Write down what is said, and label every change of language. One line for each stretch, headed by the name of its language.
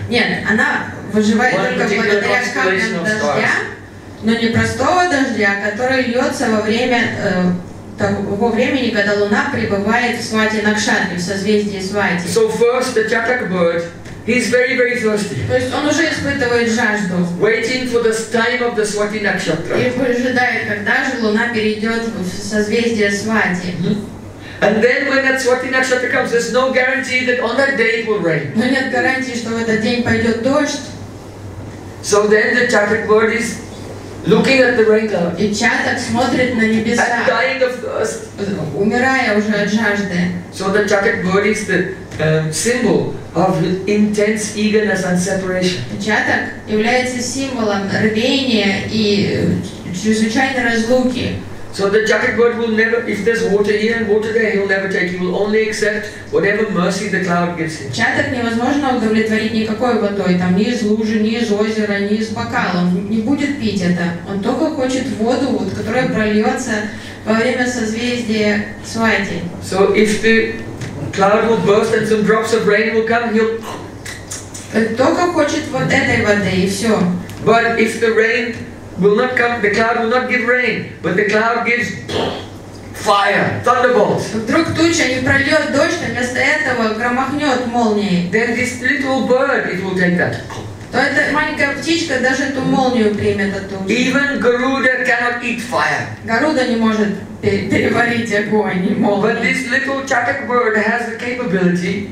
Russian: Нет, она выживает только благодаря каплям дождя, но не простого дождя, который льется во время того времени, когда Луна пребывает в Свати Накшатре, в созвездии Свати.
English: So first the chatak bird, he's very, very thirsty.
Russian: То есть он уже испытывает жажду.
English: Waiting for the time of the Swati Nakshatra.
Russian: И выжидает, когда же Луна перейдет в созвездие Свати.
English: And then when that Swati Nakshatra comes, there's no guarantee that on that day it will rain.
Russian: Но нет гарантии, что в этот день пойдет дождь.
English: So then the chatak bird is looking at the rain cloud.
Russian: И чаток смотрит на небеса.
English: And dying of thirst.
Russian: Умирая уже от жажды.
English: So the chatak bird is the symbol of intense eagerness and separation.
Russian: Чаток является символом рвения и чрезвычайной разлуки.
English: So the chatak bird will never, if there's water here and water there, he will never take. He will only accept whatever mercy the cloud gives him.
Russian: Чаток невозможно удовлетворить никакой водой, там ни из лужи, ни из озера, ни из бокала. Он не будет пить это. Он только хочет воду, вот, которая прольется во время созвездия Свати.
English: So if the cloud will burst and some drops of rain will come, he'll.
Russian: Только хочет вот этой воды и все.
English: But if the rain will not come, the cloud will not give rain, but the cloud gives fire, thunderbolts.
Russian: Вдруг туча не прольет дождь, а вместо этого громахнет молнией.
English: Then this little bird, it will take that.
Russian: То эта маленькая птичка даже эту молнию примет от тучи.
English: Even Garuda cannot eat fire.
Russian: Гаруда не может переварить огонь и молнию.
English: But this little chatak bird has the capability.